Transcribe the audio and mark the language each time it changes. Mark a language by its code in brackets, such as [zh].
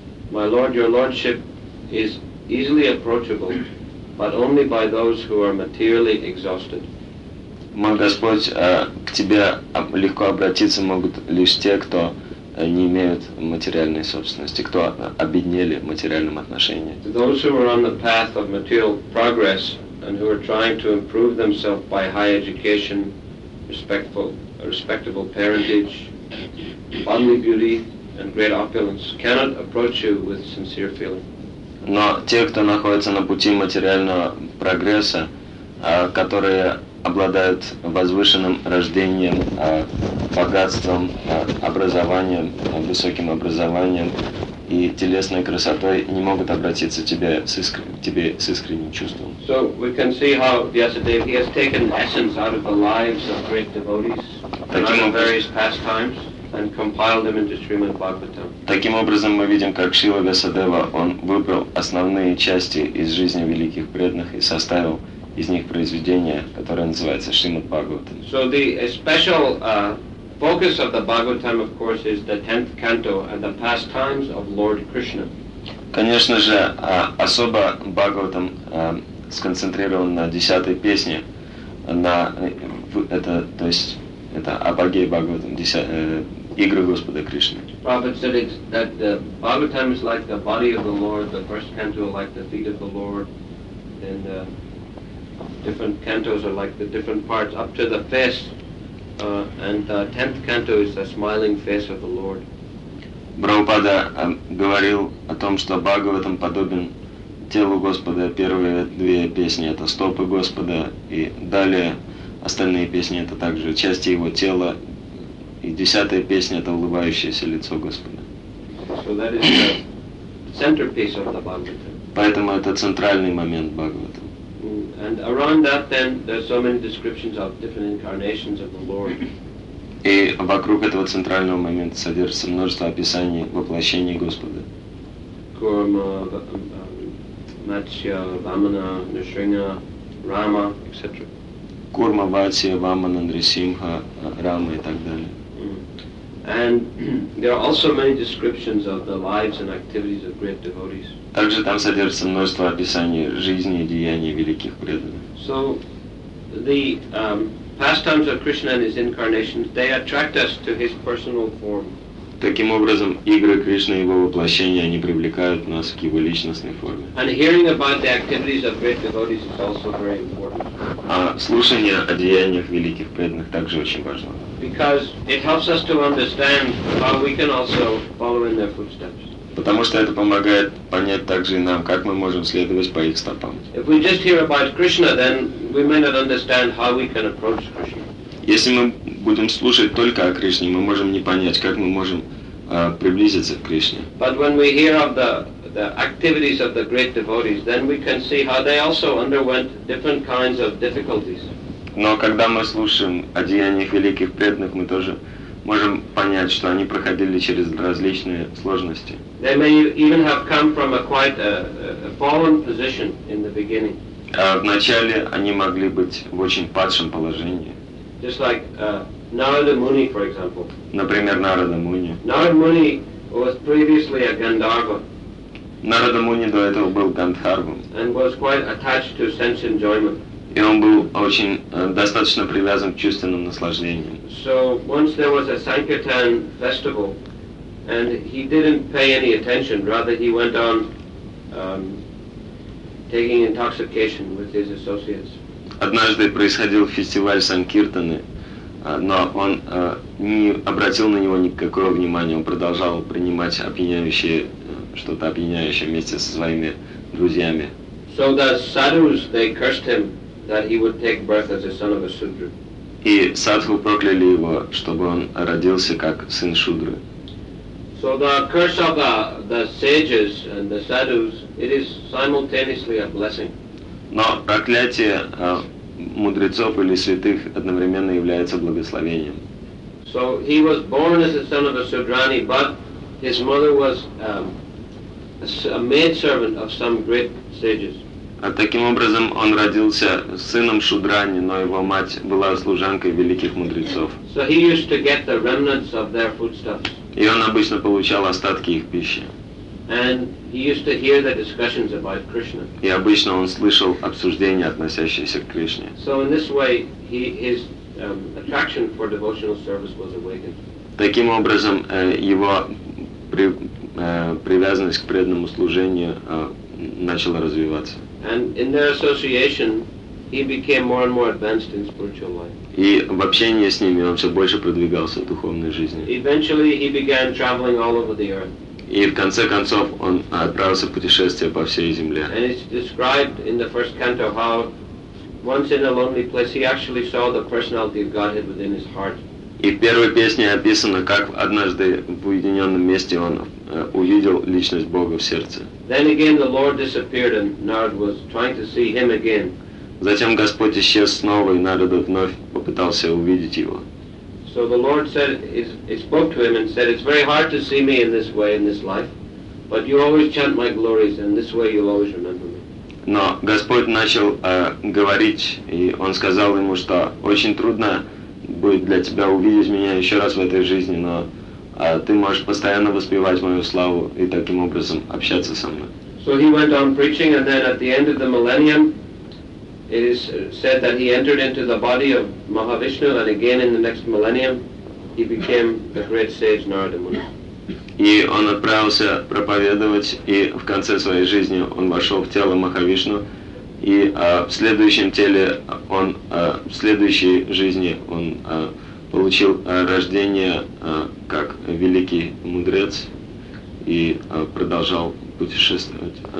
[en] My Lord, your lordship is easily approachable, but only by those who are materially exhausted. [ru] Мой Господь, к Тебе легко обратиться могут лишь те, кто не имеют материальной собственности, кто обеднели в материальном отношении. [en] Those who are on the path of material progress and who are trying to improve themselves by high education, respectable parentage, bodily beauty and great opulence cannot approach you with sincere feeling. [ru] Но те, кто находится на пути материального прогресса, которые обладают возвышенным рождением, богатством, образованием, высоким образованием и телесной красотой, не могут обратиться к тебе с искренним чувством. [en] So we can see how Vyasadeva, he has taken lessons out of the lives of great devotees from various pastimes and compiled them into Srimad Bhagavatam. [ru] Таким образом мы видим, как Шрила Вьясадева, он выбрал основные части из жизни великих преданных и составил из них произведение, которое называется Шримад Бхагаватам. [en] So the special focus of the Bhagavatam, of course, is the 10th canto and the pastimes of Lord Krishna. [ru] Конечно же, особо Бхагаватам сконцентрирован на 10-й песне, это апогей Бхагаватам, игры Господа Кришны. [en] Prophet said it's that the Bhagavatam is like the body of the Lord, the first canto like the feet of the Lord, then the different cantos are like the different parts up to the face, and the tenth canto is the smiling face of the Lord. [ru] Прабхупада говорил о том, что Бхагаватам подобен телу Господа. Первые две песни — это стопы Господа, и далее остальные песни — это также части Его тела, и десятая песня — это улыбающееся лицо Господа. [en] So that is the centerpiece of the Bhagavatam. [ru] Поэтому это центральный момент Бхагаватам. [en] And around that, then, there's so many descriptions of different incarnations of the Lord. [ru] И вокруг этого центрального момента содержится множество описаний воплощений Господа. Курма, Матсья, Вамана, Нрисимха, Рама, etc. Курма, Ватсья, Вамана, Нрисимха, Рама и так далее. [en] And there are also many descriptions of the lives and activities of great devotees. [ru] Также там содержится множество описаний жизни и деяний великих преданных. [en] So the pastimes of Krishna and his incarnations, they attract us to his personal form. [ru] Таким образом, игры Кришны и его воплощения, они привлекают нас к его личностной форме. [en] And hearing about the activities of great devotees is also very important. [ru] А слушание о деяниях великих преданных также очень важно. [en] Because it helps us to understand how we can also follow in their footsteps. [ru] Потому что это помогает понять также и нам, как мы можем следовать по их стопам. [en] If we just hear about Krishna, then we may not understand how we can approach Krishna. [ru] Если мы будем слушать только о Кришне, мы можем не понять, как мы можем приблизиться к Кришне. [en] But when we hear of the activities of the great devotees, then we can see how they also underwent different kinds of difficulties. [ru] Но когда мы слушаем о деяниях великих преданных, мы тоже можем понять, что они проходили через различные сложности. [en] They may even have come from a quite a fallen position in the beginning. [ru] Вначале они могли быть в очень падшем положении. [en] Just like Narada Muni, for example. [ru] Например, Narada Muni. [en] Narada Muni was previously a Gandharva. [ru] Narada Muni до этого был Гандхарвом. [en] And was quite attached to sense enjoyment. [ru] И он был очень достаточно привязан к чувственным наслаждениям. [en] So once there was a Sankirtan festival, and he didn't pay any attention, rather he went on taking intoxication with his associates. [ru] Однажды происходил фестиваль Санкиртаны, но он не обратил на него никакого внимания, он продолжал принимать что-то опьяняющее вместе со своими друзьями. [en] So the sadhus, they cursed him that he would take birth as a son of a Sudra. [ru] И садху прокляли его, чтобы он родился как сын Шудры. [en] So the curse of the sages and the sadhus, it is simultaneously a blessing. [ru] Но проклятие мудрецов или святых одновременно является благословением. [en] So he was born as a son of a Sudrani, but his mother was a maidservant of some great sages. [ru] А таким образом он родился сыном Шудрани, но его мать была служанкой великих мудрецов. [en] So he used to get the remnants of their foodstuffs. [ru] И он обычно получал остатки их пищи. [en] And he used to hear the discussions about Krishna. [ru] И обычно он слышал обсуждения, относящиеся к Кришне. [en] So in this way, his attraction for devotional service was awakened. [ru] Таким образом, его привязанность к преданному служению начала развиваться. [en] And in their association, he became more and more advanced in spiritual life. [ru] И в общении с ними он все больше продвигался в духовной жизни. [en] Eventually, he began traveling all over the earth. [ru] И в конце концов он отправился в путешествие по всей земле. [en] And it's described in the first canto how, once in a lonely place, he actually saw the personality of Godhead within his heart. [ru] И в первой песне описано, как однажды в уединенном месте он увидел личность Бога в сердце. [en] Then again the Lord disappeared and Narada was trying to see him again. [ru] Затем Господь исчез снова, и Нарада вновь попытался увидеть его. [en] So the Lord said, he spoke to him and said, it's very hard to see me in this way, in this life, but you always chant my glories and this way you'll always remember me. [ru] Но Господь начал говорить, и он сказал ему, что очень трудно будет для тебя увидеть меня еще раз в этой жизни, но ты можешь постоянно воспевать мою славу и таким образом общаться со мной. [en] So he went on preaching, and then at the end of the millennium, it is said that he entered into the body of Mahavishnu, and again in the next millennium, he became the great sage Narada Muni. [ru] И он отправился проповедовать, и в конце своей жизни он вошел в тело Махавишну, и в следующем теле он, в следующей жизни он получил рождение как великий мудрец и продолжал путешествовать.